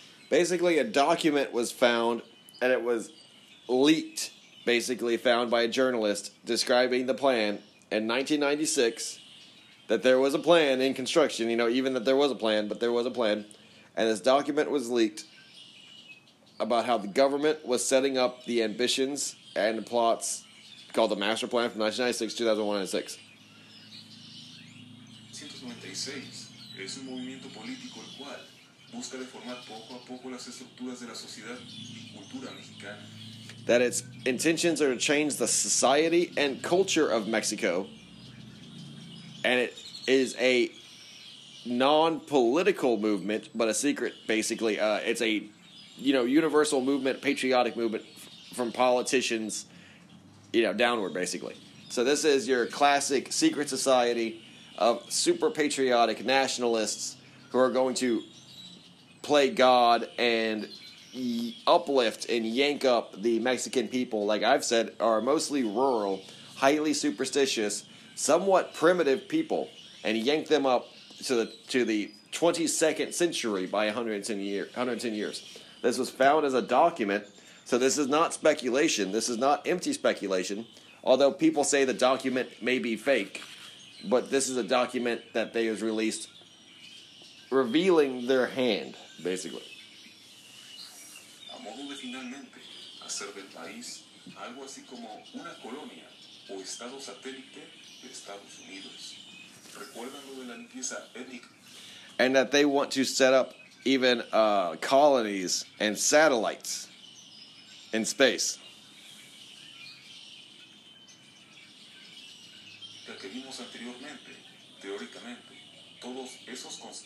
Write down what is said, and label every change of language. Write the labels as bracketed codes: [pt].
[en] basically, a document was found, and it was leaked, basically found by a journalist describing the plan in 1996, that there was a plan in construction, you know, even that there was a plan, but there was a plan, and this document was leaked about how the government was setting up the ambitions and plots called the master plan from 1996-2106. 1996. [es] Es un movimiento político el cual busca deformar poco a poco las estructuras de la sociedad y cultura mexicana. [en] That its intentions are to change the society and culture of Mexico, and it is a non-political movement, but a secret, basically. It's a, you know, universal movement, patriotic movement from politicians, you know, downward, basically. So this is your classic secret society of super patriotic nationalists who are going to play God and uplift and yank up the Mexican people, like I've said, are mostly rural, highly superstitious, somewhat primitive people, and yank them up to the 22nd century by 110 years. This was found as a document, so this is not speculation. This is not empty speculation, although people say the document may be fake, but this is a document that they has released revealing their hand, basically. [es] A modo de finalmente hacer del país algo así como una colonia o estado satélite de Estados Unidos. ¿Recuerdan lo de la limpieza étnica? [en] And that they want to set up even colonies and satellites in space. [es] La que vimos anteriormente, teóricamente, todos esos